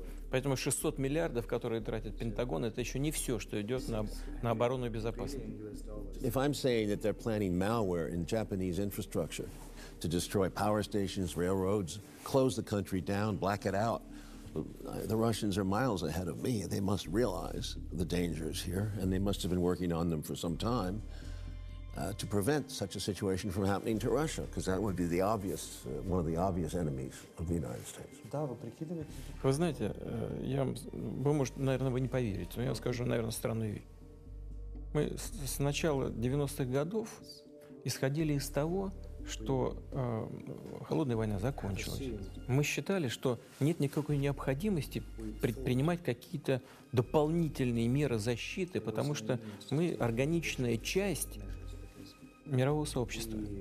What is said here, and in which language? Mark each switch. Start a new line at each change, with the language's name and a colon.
Russian: Поэтому 600 миллиардов, которые тратит Пентагон, это еще не все, что идет на оборону и безопасность.
English: If I'm saying that they're planning malware in Japanese infrastructure to destroy power stations, railroads, close the country down, black it out, the Russians are miles ahead of me. They must realize the dangers here, and they must have been working on them for some time. To prevent such a situation from happening to Russia, because that would be the obvious, one of the obvious enemies of the United States.
Russian: Вы знаете, я вам, вы может, наверное, вы не поверите, но я вам скажу, наверное, странную вещь. Мы с начала 90-х годов исходили из того, что холодная война закончилась. Мы считали, что нет никакой необходимости предпринимать какие-то дополнительные меры защиты, потому что мы органичная часть мирового сообщества.